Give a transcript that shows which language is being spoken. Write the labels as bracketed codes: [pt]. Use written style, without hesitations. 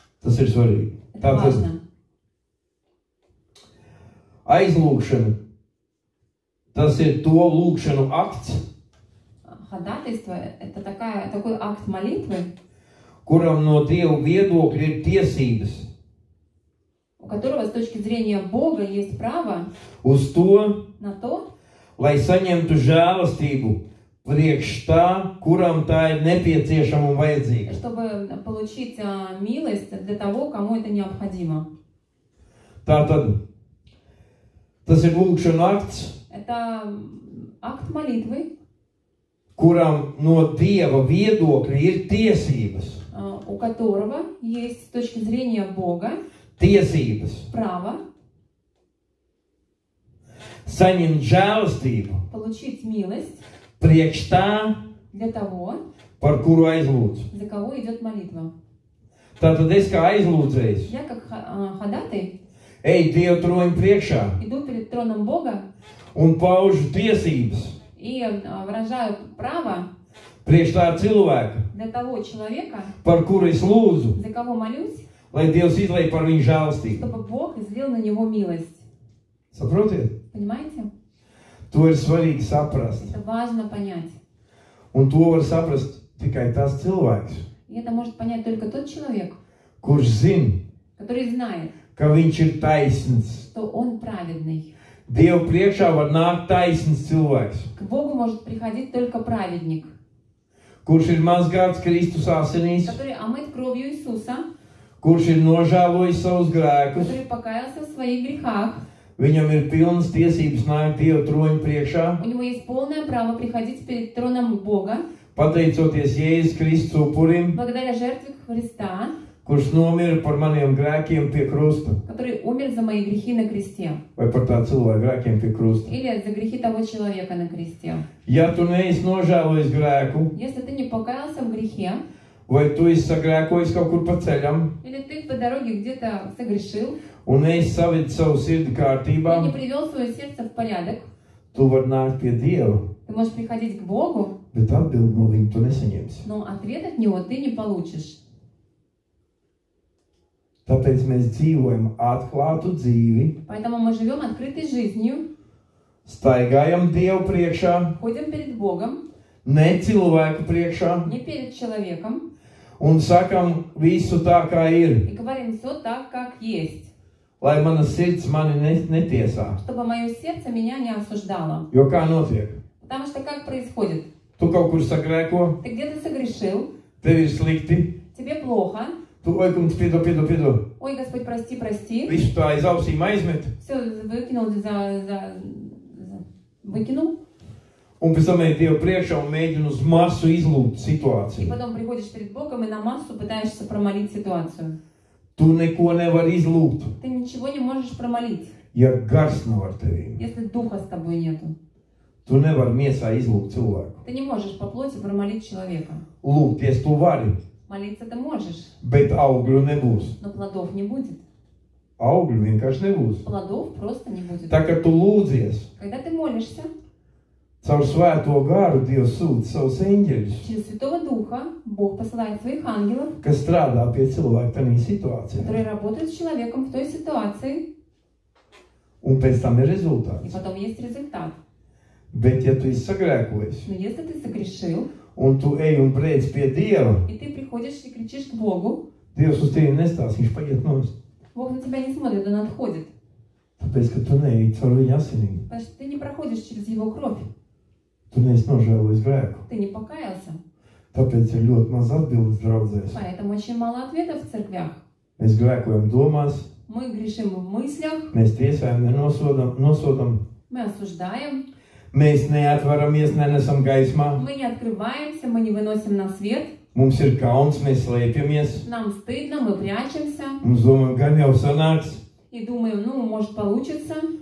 [lv] Tas ir svarīgi. Tātad aizlūkšana, tas ir to lūkšanu akts, [ru] ходатайство это такая такой акт молитвы, [lv] kuram no Dieva viedokļa ir tiesības, [ru] у которого с точки зрения Бога есть право, [lv] uz to, [ru] на то, [lv] lai saņemtu žēlastību priekš tā, kuram tā ir nepieciešama un vajadzīga. [ru] Чтобы получить милость для того, кому это необходимо. [lv] Tātad, tas ir lūkšana akts. [ru] Это акт молитвы. [lv] Kuram no Dieva viedokļa ir tiesības. [ru] У которого есть с точки зрения Бога. [lv] Tiesības. [ru] Право. [lv] Saņemt žēlstību. [ru] Получить милость. [lv] Priekš tā, [ru] для того, [lv] par kuru aizlūdzu. [ru] За кого идет молитва. [lv] Tātad es kā aizlūdzējs. [ru] Я как ходатай. [lv] Ej Dievu troņu priekšā. [ru] Иду перед троном Бога. [lv] Un paužu tiesības. [ru] И выражаю право. [lv] Priekš tā cilvēka. [ru] Для того человека. [lv] Par kuru es lūdzu. [ru] За кого молюсь. [lv] Lai Dievs izlēj par viņu žālstību. [ru] Чтобы Бог излил на него милость. [lv] Saprotiet? [ru] Понимаете? [lv] To ir svarīgi saprast. [ru] Это важно понять. [lv] Un to var saprast tikai tas cilvēks. [ru] И это может понять только тот человек. [lv] Kurš zin. [ru] Который знает. [lv] Ka viņš ir taisns. [ru] Что он праведный. [lv] Dievu priekšā var nākt taisns cilvēks. [ru] К Богу может приходить только праведник. [lv] Kurš ir mazgāts Kristus asinīs. [ru] Который омыт кровью Иисуса. [lv] Kurš ir nožēlojis savus grēkus. [ru] Который покаялся в своих грехах. [lv] Viņam ir pilnas tiesības nākt Dieva troņa priekšā. [ru] У него есть полное право приходить перед троном Бога. [lv] Pateicoties Jēzus Kristus upurim. [ru] Благодаря жертве Христа. [lv] Kurš nomira par maniem grēkiem pie krusta. [ru] Который умер за мои грехи на кресте. [lv] Vai par tā cilvēka grēkiem pie krusta. [ru] Или за грехи того человека на кресте. [lv] Ja tu neesi nožēlojis grēku. [ru] Если ты не покаялся в грехе. [lv] Vai tu esi sagrēkojis kaut kur pa ceļam? [ru] Или ты по дороге где-то согрешил? [lv] Un neesi savedis savu sirdi kārtībā? [ru] Я не привел свое сердце в порядок. [lv] Tu var nākt pie Dieva. [ru] Ты можешь приходить к Богу. [lv] Bet atbildi no viņa tu neseņemsi. [ru] Но ответ от него ты не получишь. [lv] Tāpēc mēs dzīvojam atklātu dzīvi. [ru] Поэтому мы живем открытой жизнью. [lv] Staigājam Dievu priekšā. [ru] Ходим перед Богом. [lv] Ne cilvēku priekšā. [ru] Не перед человеком. [lv] Un sakam visu tā, kā ir. [ru] И говорим все так, как есть. [lv] Lai mana sirds mani netiesā. [ru] Чтобы мое сердце меня не осуждало. [lv] Jo kā notiek? [ru] Потому что как происходит? [lv] Tu kaut kur sagrēko. [ru] Ты где-то согрешил. [lv] Tev ir slikti. [ru] Тебе плохо. [lv] Tu, ой, kungs, piedo. [ru] Ой, Господь, прости. [lv] Visu tā aiz ausīm aizmet. [ru] Все выкинул за... Выкинул. [lv] Un pēc tam ej Dievu priekšā un mēģinu uz masu izlūgt situāciju. [ru] И потом приходишь перед Богом и на массу пытаешься промолить ситуацию. [lv] Tu neko nevar izlūgt. [ru] Ты ничего не можешь промолить. [lv] Ja gars nevar tevī. [ru] Если духа с тобой нету. [lv] Tu nevar miesā izlūgt cilvēku. [ru] Ты не можешь по плоти промолить человека. [lv] Лūgties tu vari. [ru] Молиться ты можешь. [lv] Bet augļu nebūs. [ru] Но плодов не будет. [lv] Augļu vienkārši nebūs. [ru] Плодов просто не будет. [lv] Tā kā tu lūdzies. [ru] Когда ты молишься. [lv] Caur svēto garu Dievs sūta savus eņģeļus. [ru] Через святого духа Бог посылает своих ангелов. [lv] Kas strādā pie cilvēka tajā situācijā. [ru] Которые работают с человеком в той ситуации. [lv] Un pēc tam ir rezultāts. [ru] И потом есть результат. [lv] Bet ja tu esi sagrēkojis. [ru] Но если ты согрешил. [lv] Un tu ej un brēc pie Dieva. [ru] И ты приходишь и кричишь к Богу. [lv] Dievs uz tevi nestās, viņš paiet nost. [ru] Бог на тебя не смотрит, он отходит. [lv] Tāpēc, ka tu neej caur viņa asinīm. [ru] Потому что ты не проходишь через его кровь. [lv] Tu neesi nožēlojis grēku. [ru] Ты не покаялся. [lv] Tāpēc ir ļoti maz atbildes draudzēs. [ru] Поэтому очень мало ответов в церквях. [lv] Mēs grēkojam domās. [ru] Мы грешим в мыслях. [lv] Mēs tiesājam, nenosodam. [ru] Мы осуждаем. [lv] Mēs neatvaramies, nenesam gaismā. [ru] Мы не открываемся, мы не выносим на свет. [lv] Mums ir kauns, mēs slēpjamies. [ru] Нам стыдно, мы прячемся. [lv] Mums domājam, gan jau sanāks. [ru] И думаем, ну, может получиться.